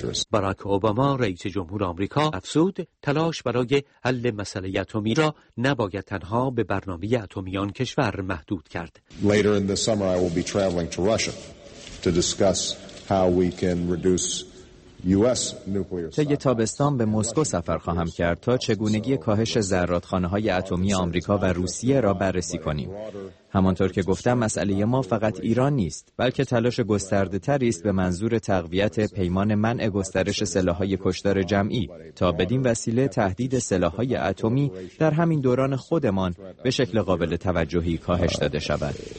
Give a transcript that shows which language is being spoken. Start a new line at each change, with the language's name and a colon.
Persian: باراک اوباما رئیس جمهور آمریکا افزود تلاش برای حل مسئله اتمی را نباید تنها به برنامه اتمی آن کشور محدود کرد.
English: Later in the summer I will be traveling to Russia to discuss how we can reduce US nuclear.
Persian: طی تابستان به مسکو سفر خواهم کرد تا چگونگی کاهش ذرات‌خانه‌های اتمی آمریکا و روسیه را بررسی کنیم. همانطور که گفتم مسئله ما فقط ایران نیست، بلکه تلاش گسترده‌تری است به منظور تقویت پیمان منع گسترش سلاح‌های کشتار جمعی تا بدین وسیله تهدید سلاح‌های اتمی در همین دوران خودمان به شکل قابل توجهی کاهش داده شود.